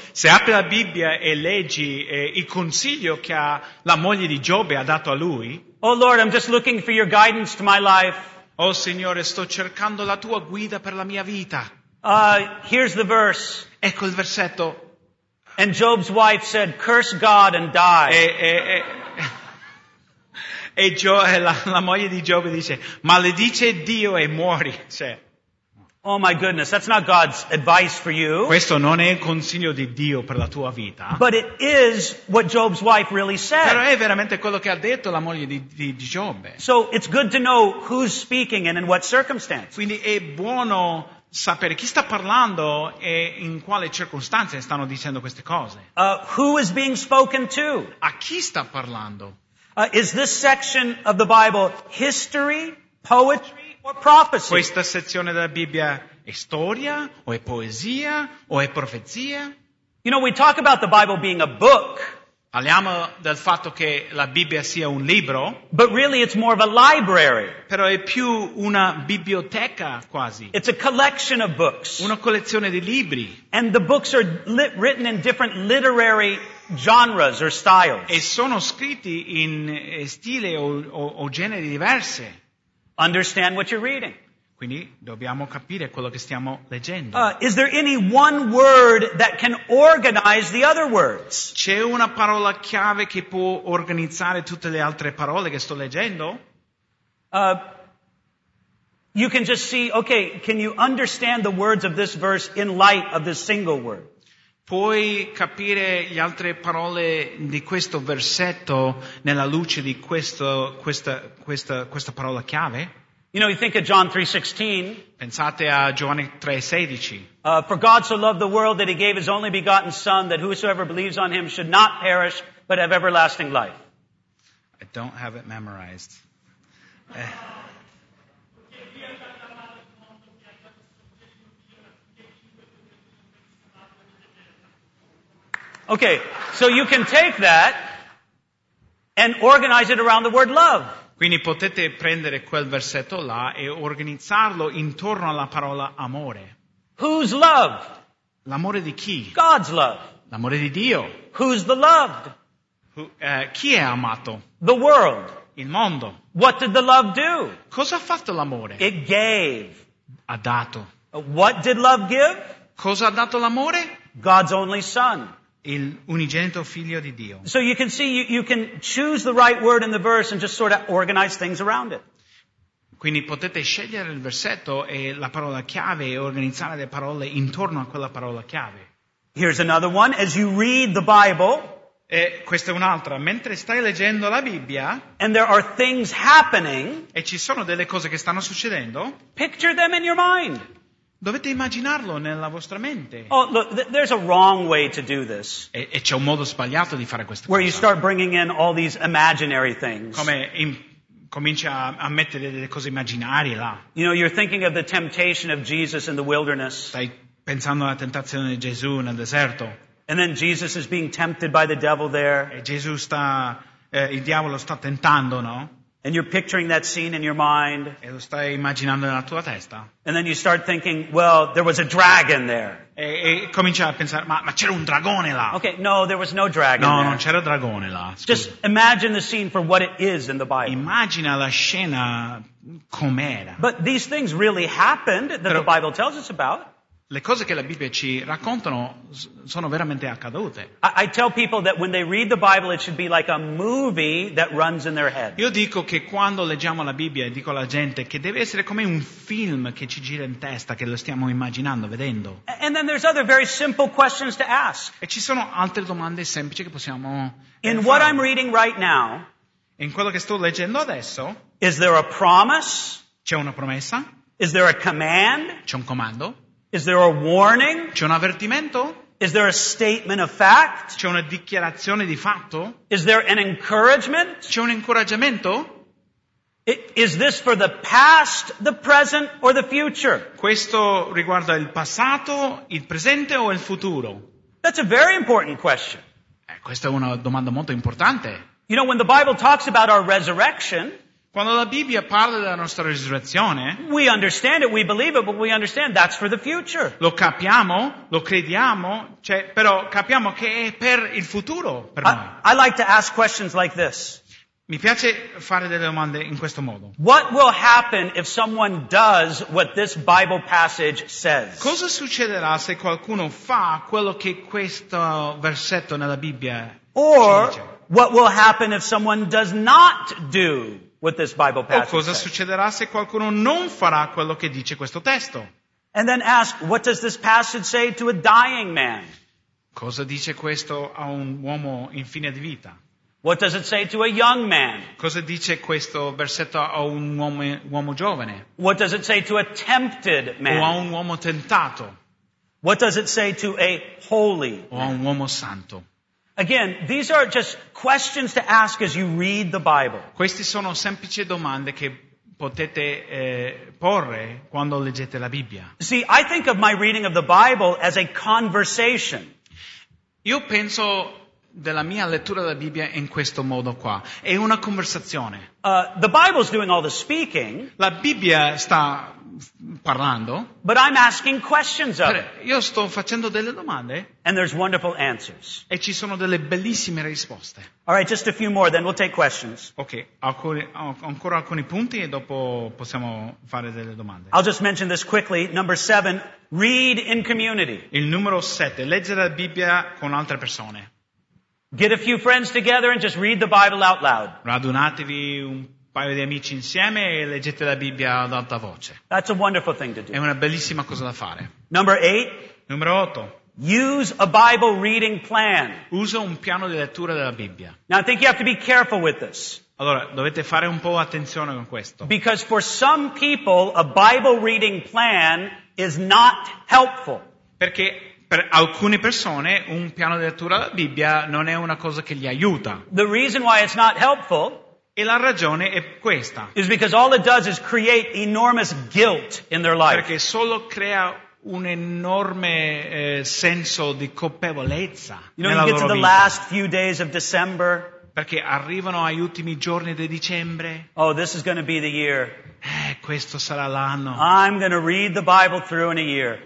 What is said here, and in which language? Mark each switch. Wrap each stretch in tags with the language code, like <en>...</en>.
<it>se apri la Bibbia e leggi il consiglio che la moglie di Giobbe ha dato a lui,</it> <en>oh Lord, I'm just looking for your guidance to my life.</en> <it>Oh Signore, sto cercando la tua guida per la mia vita.</it> <en>Here's the verse.</en> <it>Ecco il versetto.</it> <en>And Job's wife said, "Curse God and die."</en> <it>E la moglie di Giobbe dice, maledice Dio e muori. Cioè,</it> <en>oh my goodness, that's not God's advice for you.</en> <it>Questo non è il consiglio di Dio per la tua vita.</it> <en>But it is what Job's wife really said.</en> <it>Però è veramente quello che ha detto la moglie di Giobbe.</it> <en>So it's good to know who's speaking and in what circumstance.</en> <it>Quindi è buono sapere chi sta parlando e in quale circostanze stanno dicendo queste cose.</it> <en>Who is being spoken to?</en> <it>A chi sta parlando?</it> <en>Is this section of the Bible history, poetry, or prophecy?</en> <it>Questa sezione della Bibbia è storia, o è poesia, o è profezia?</it> <en>You know, we talk about the Bible being a book.</en> <it>Parliamo del fatto che la Bibbia sia un libro.</it> <en>But really it's more of a library.</en> <it>Però è più una biblioteca quasi.</it> <en>It's a collection of books.</en> <it>Una collezione di libri.</it> <en>And the books are written in different literary genres or styles.</en> <it>E sono scritti in stile o generi diversi.</it> <en>Understand what you're reading.</en> <it>Quindi dobbiamo capire quello che stiamo leggendo.</it> <en>Is there any one word that can organize the other words?</en> <it>C'è una parola chiave che può organizzare tutte le altre parole che sto leggendo?</it> <en>You can just see, okay, can you understand the words of this verse in light of this single word?</en> <it>Puoi capire le altre parole di questo versetto nella luce di questa parola chiave?</it> <en>You know, you think of John 3:16.</en> <it>Pensate a Giovanni 3:16.</it> <en>For God so loved the world that he gave his only begotten son that whosoever believes on him should not perish but have everlasting life. I don't have it memorized. Okay, so you can take that and organize it around the word love.</en> <it>Quindi potete prendere quel versetto là e organizzarlo intorno alla parola amore.</it> <en>Whose love?</en> <it>L'amore di chi?</it> <en>God's love.</en> <it>L'amore di Dio.</it> <en>Who's the loved?</en> <it>Chi è amato?</it> <en>The world.</en> <it>Il mondo.</it> <en>What did the love do?</en> <it>Cosa ha fatto l'amore?</it> <en>It gave.</en> <it>Ha dato.</it> <en>What did love give?</en> <it>Cosa ha dato l'amore?</it> <en>God's only son.</en> <it>Il unigenito figlio di Dio.</it> <en>So you can see you can choose the right word in the verse and just sort of organize things around it.</en> <it>Quindi potete scegliere il versetto e la parola chiave e organizzare le parole intorno a quella parola chiave.</it> <en>Here's another one. As you read the Bible.</en> <it>E questa è un'altra. Mentre stai leggendo la Bibbia.</it> <en>And there are things happening.</en> <it>E ci sono delle cose che stanno succedendo.</it> <en>Picture them in your mind.</en> <it>Dovete immaginarlo nella vostra mente.</it> <en>Oh, look, there's a wrong way to do this.</en> <it>E c'è un modo sbagliato di fare questa cosa.</it> <en>Where you start bringing in all these imaginary things.</en> <it>Come comincia a mettere delle cose immaginarie là.</it> <en>You know, you're thinking of the temptation of Jesus in the wilderness.</en> <it>Stai pensando alla tentazione di Gesù nel deserto.</it> <en>And then Jesus is being tempted by the devil there.</en> <it>E Gesù sta, il diavolo sta tentando, no?</it> <en>And you're picturing that scene in your mind.</en> <it>E lo stai immaginando nella tua testa.</it> <en>And then you start thinking, well, there was a dragon there.</en> <it>E cominci a pensare, ma c'era un dragone là.</it> <en>Okay, no, there was no dragon no, there.</en> <it>No, non c'era dragone là. Scusa.</it> <en>Just imagine the scene for what it is in the Bible.</en> <it>Immagina la scena com'era.</it> <en>But these things really happened that the Bible tells us about.</en> <it>Le cose che la Bibbia ci raccontano sono veramente accadute.</it> <en>I tell people that when they read the Bible it should be like a movie that runs in their head.</en> <it>Io dico che quando leggiamo la Bibbia dico alla gente che deve essere come un film che ci gira in testa, che lo stiamo immaginando, vedendo.</it> <en>And then there's other very simple questions to ask.</en> <it>E ci sono altre domande semplici che possiamo</it> <en>In what I'm reading right now.</en> <it>In quello che sto leggendo adesso.</it> <en>Is there a promise?</en> <it>C'è una promessa?</it> <en>Is there a command?</en> <it>C'è un comando?</it> <en>Is there a warning?</en> <it>C'è un avvertimento?</it> <en>Is there a statement of fact?</en> <it>C'è una dichiarazione di fatto?</it> <en>Is there an encouragement?</en> <it>C'è un incoraggiamento?</it> <en>Is this for the past, the present, or the future?</en> <it>Questo riguarda il passato, il presente o il futuro?</it> <en>That's a very important question.</en> <it>Questa è una domanda molto importante.</it> <en>You know, when the Bible talks about our resurrection.</en> <it>Quando la Bibbia parla della nostra risurrezione,</it> <en>we understand it, we believe it, but we understand that's for the future.</en> <it>Lo capiamo, lo crediamo, cioè, però capiamo che è per il futuro, per noi.</it> <en>I like to ask questions like this.</en> <it>Mi piace fare delle domande in questo modo.</it> <en>What will happen if someone does what this Bible passage says?</en> <it>Cosa succederà se qualcuno fa quello che questo versetto nella Bibbia</it> <en>Or,</en> <it>ci dice?</it> <en>What will happen if someone does not do with this Bible passage.</en> <it>O cosa succederà se qualcuno non farà quello che dice questo testo?</it> <en>And then ask, what does this passage say to a dying man?</en> <it>Cosa dice questo a un uomo in fine di vita?</it> <en>What does it say to a young man?</en> <it>Cosa dice questo versetto a un uomo giovane?</it> <en>What does it say to a tempted man?</en> <it>O a un uomo tentato?</it> <en>What does it say to a holy</en> <it>O a un uomo santo?</it> <en>Again, these are just questions to ask as you read the Bible.</en> <it>Queste sono semplici domande che potete porre quando leggete la Bibbia.</it> <en>See, I think of my reading of the Bible as a conversation.</en> <it>Io penso della mia lettura della Bibbia in questo modo qua. È una conversazione.</it> <en>The Bible's doing all the speaking.</en> <it>La Bibbia sta parlando.</it> <en>But I'm asking questions of it.</en> <it>Io sto facendo delle domande.</it> <en>And there's wonderful answers.</en> <it>E ci sono delle bellissime risposte.</it> <en>All right, just a few more, then we'll take questions.</en> <it>Okay, ancora alcuni punti e dopo possiamo fare delle domande.</it> <en>I'll just mention this quickly. Number 7, read in community.</en> <it>Il numero 7, leggere la Bibbia con altre persone.</it> <en>Get a few friends together and just read the Bible out loud.</en> <it>Radunatevi un paio di amici insieme e leggete la Bibbia ad alta voce.</it> <en>That's a wonderful thing to do.</en> <it>È una bellissima cosa da fare.</it> <en>Number 8.</en> <it>Numero 8.</it> <en>Use a Bible reading plan.</en> <it>Usa un piano di lettura della Bibbia.</it> <en>Now I think you have to be careful with this.</en> <it>Allora, dovete fare un po' attenzione con questo.</it> <en>Because for some people a Bible reading plan is not helpful.</en> <it>Perché per alcune persone un piano di lettura della Bibbia non è una cosa che gli aiuta.</it> <en>The reason why it's not helpful.</en> <it>E la ragione è questa.</it> <en>Is because all it does is create enormous guilt in their life.</en> <it>Perché solo crea un enorme senso di colpevolezza nella loro vita.</it> <en>The last few days of December.</en> <it>Perché arrivano agli ultimi giorni di dicembre.</it> <en>Oh, this is going to be the year.</en> <it>Questo sarà l'anno.</it> <en>I'm going to read the Bible through in a year.</en>